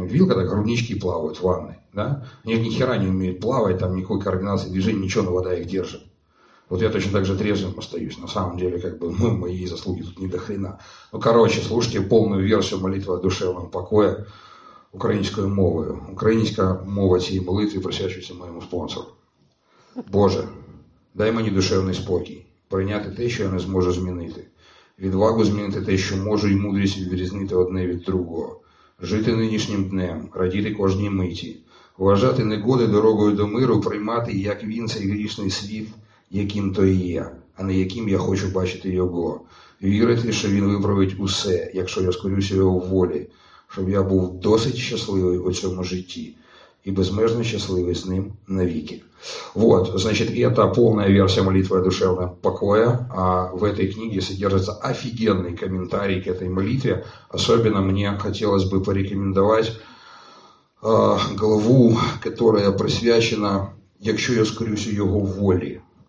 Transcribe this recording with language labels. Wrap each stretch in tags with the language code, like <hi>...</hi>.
<ru>Я видел, когда груднички плавают в ванной, да? Они ни хера не умеют плавать, там никакой координации движения, ничего, но вода их держит. Вот я точно так же трезвым остаюсь. На самом деле, как бы, ну, мои заслуги тут не до хрена. Ну, короче, слушайте полную версию молитвы о душевном покое украинскую мову. Украинская мова сей молитвы, просящуюся моему спонсору.</ru> <uk>Боже, дай мені душевний спокій, прийняти те, що я не зможу змінити. Відвагу змінити те, що можу, і мудрість відрізнити одне від другого. Жити нинішнім днем, радіти кожній миті, вважати негоди дорогою до миру, приймати, як він цей грішний світ, яким то і є, а не яким я хочу бачити його. Вірити, що він виправить усе, якщо я скорюся його волі, щоб я був досить щасливий у цьому житті і безмежно щасливий з ним навіки.</uk> <ru>Вот, значит, это полная версия молитвы о душевном покое, а в этой книге содержится офигенный комментарий к этой молитве. Особенно мне хотелось бы порекомендовать главу, которая присвящена «Якщо я скорюсь його волі».</ru>